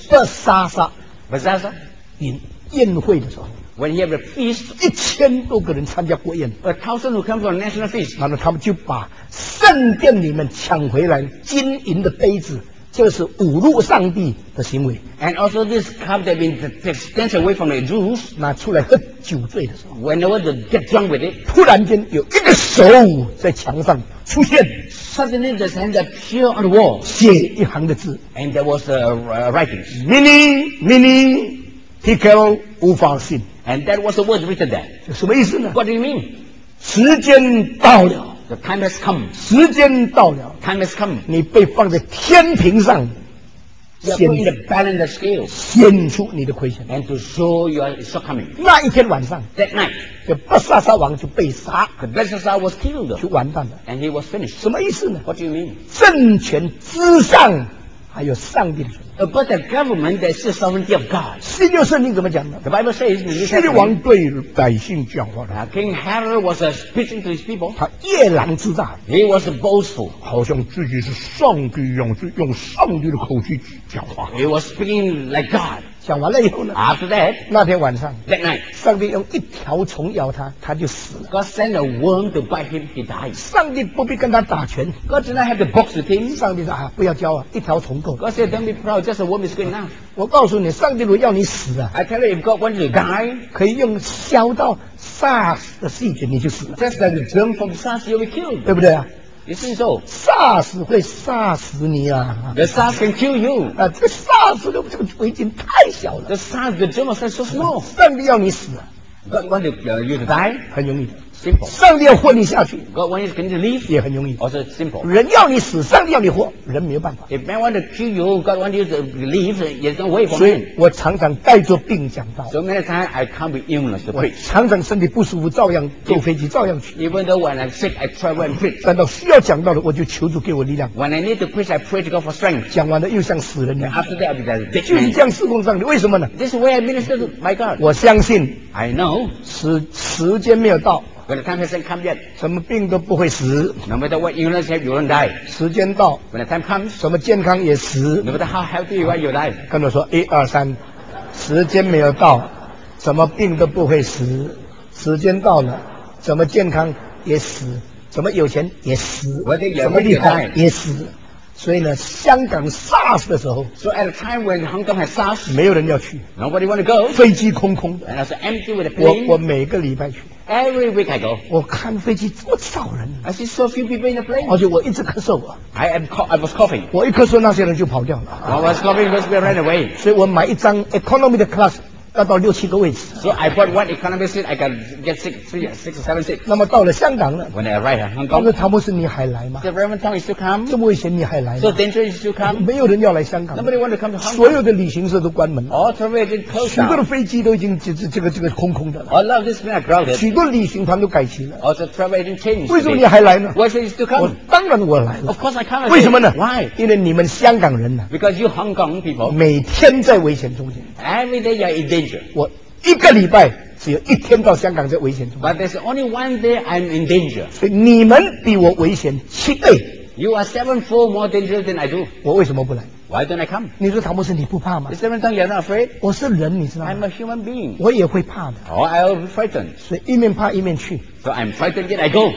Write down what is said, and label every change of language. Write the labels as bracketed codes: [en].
[zh] 不杀杀，饮宴会的时候 [en] ，When you have a feast， [zh] 1000多个人参加国宴 [en] ，A thousand who come to a national feast， [zh] 然后他们就把圣殿里面抢回来金银的杯子，就是侮辱上帝的行为。 [en] And also this cup that been taken away from the Jews， [zh] 拿出来喝酒醉的时候 [en] ，When they were to get drunk with it， [zh] 突然间有一个手在墙上出现。 [en] Suddenly, the hand appeared on the wall. [zh] 写一行的字 [en] and there was a writing. [zh] Mini, mini, tickle, 无法信 [en] and that was the word written there. [zh] 什么意思呢 [en] ？What do you mean? [zh] 时间到了 [en] ，the time has come. [zh] 时间到了 [en] ，time has come. [zh] 你被放在天平上 [en] You're putting the balance of scale. [zh] 显出你的亏欠。 [en] And to show your shortcoming. [zh] 那一天晚上。 [en] That night. [zh] 这Belshazzar王就被杀。 [en] The Belshazzar was killed. [zh] 就完蛋了。 [en] And he was finished. [zh] 什么意思呢？ [en] What do you mean? [zh] 政权之上还有上帝的权。 [en] But the government that is the sovereignty of God. [zh] 新约圣经怎么讲的？ [en] The Bible says. [zh] 新约王对百姓讲话的。 [en] King Herod was speaking to his people. [zh] 他夜郎自大。 [en] He was boastful. [zh] 好像自己是上帝一样，用上帝的口气讲话。 [en] He was speaking like God. [zh] 讲完了以后呢？ [en] After that. [zh] 那天晚上。 [en] That night. [zh] 上帝用一条虫咬他，他就死了。 [en] God sent a worm to bite him, he died. [zh] 上帝不必跟他打拳。 [en] God did not have to box with him. [zh] 上帝说啊，不要教啊，一条虫够。 [en] God said, don't be proud. That's a worm is good enough. [zh] 我告诉你，上帝如果要你死啊 [en] ，I tell you, if God wants you to die, [zh] 可以用消到 SARS 的细菌，你就死了。 [en] Just that the germ from SARS, you'll be killed, [zh] 对不对啊 [en] ？You think so? [zh] SARS 会杀死你啊 [en] ！The SARS can kill you. [zh] 啊，这个 SARS 的这个围巾太小了。 [en] The SARS, the germ is so small. [zh] 上帝要你死啊 [en] ，God wants you to die, [zh] 很容易的。 [en] Simple. [zh] 上帝要活你下去 [en] ，God wants you to live， [zh] 也很容易。 [en] Also simple. [zh] 人要你死，上帝要你活，人没有办法。 [en] If man wants to kill you, God wants you to live, there's no way for him. [zh] 所以我常常带着病讲道。 [en] So many times I come with illness to preach. [zh] 常常身体不舒服，照样坐飞机，照样去。 [en] Even though when I'm sick, I travel and preach. [zh] 等到需要讲道的，我就求主给我力量。 [en] When I need to preach, I pray to God for strength. [zh] 讲完了又像死人一样。 [en] After that, I'll be dead. [zh] 就是这样侍奉上帝，为什么呢 [en] ？This way I minister to my God. [zh] 我相信。 [en] I know. [zh] 时间没有到。 [en] When the time hasn't come yet, [zh] 什么病都不会死。 [en] No matter what illness you have, you won't die. [zh] 时间到。 [en] When the time comes, [zh] 什么健康也死。 [en] No matter how healthy you are, you die. [zh] 跟我说一二三，时间没有到，什么病都不会死。时间到了，什么健康也死，什么有钱也死，什么厉害也死。所以呢，香港 SARS 的时候 [en] ，So at a time when Hong Kong has SARS, [zh] 没有人要去 [en] ，Nobody want to go, [zh] 飞机空空的 [en] ，And I was empty with a plane. [zh] 我每个礼拜去。 [en] Every week I go. [zh] 我看飞机这么少人。 [en] I see so few people in the plane. [zh] 而且我一直咳嗽啊。 [en] I was coughing. [zh] 我一咳嗽，那些人就跑掉了。 [en] I was coughing, those people ran away. [zh] 所以我买一张 economy 的 class， 要到六七个位置。 [en] So I bought one economy seat, I can get six or seven seats. [zh] 那么到了香港了。 [en] When I arrived, Hong Kong. [zh] 那个汤姆森你还来吗 [en] ？The Reverend Tom is still come. [zh] 这么危险你还来 [en] ？So dangerous is still come. [zh] 没有人要来香港。 [en] Nobody want to come to Hong Kong. [zh] 所有的旅行社都关门了。 [en] All travel agents closed. [zh] 许多的飞机都已经这个空空的了。 [en] All of this being crowded. [zh] 许多旅行团都改期了。 [en] All the travel agents changed. [zh] 为什么你还来呢 [en] ？Why should you still come? [zh] 我当然我来了。 [en] Of course I come. [zh] 为什么呢 [en] ？Why? [zh] 因为你们香港人呢 [en] ？Because you Hong Kong people. [zh] 每天在危险中间。 [en] Every day you are in danger. [zh] 我一个礼拜。只有一天到香港在危险中。 [en] But there's only one day I'm in danger. [zh] 所以你们比我危险七倍。 [en] You are sevenfold more dangerous than I do. [zh] 我为什么不来 [en] ？Why don't I come? [zh] 你说唐牧师你不怕吗 [en] ？Is there anything you're not afraid? [zh] 我是人，你知道吗 [en] ？I'm a human being. [zh] 我也会怕的。 [en] Oh, I'll be frightened. [zh] 所以一面怕一面去。 [en] So I'm frightened yet I go.